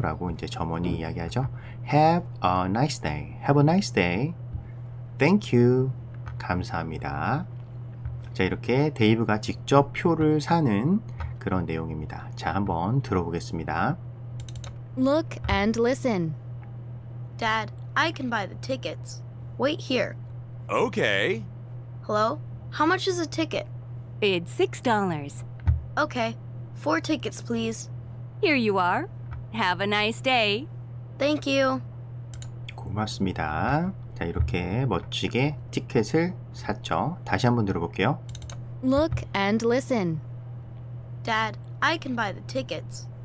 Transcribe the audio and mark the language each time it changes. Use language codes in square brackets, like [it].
[ko] 라고 이제 점원이 이야기하죠. [en] Have a nice day. Have a nice day. Thank you. [ko] 감사합니다. 자, 이렇게 데이브가 직접 표를 사는 그런 내용입니다. 자, 한번 들어보겠습니다. [en] Look and listen. Dad, I can buy the tickets. Wait here. Okay. Hello? How much is a ticket? It's $6. Okay. 4 tickets, please. Here you are. Have a nice day. Thank you. [ko] 고맙습니다. 자, 이렇게 멋지게 티켓을 샀죠. 다시 한번 들어볼게요. Look and listen. Dad, I can buy the tickets.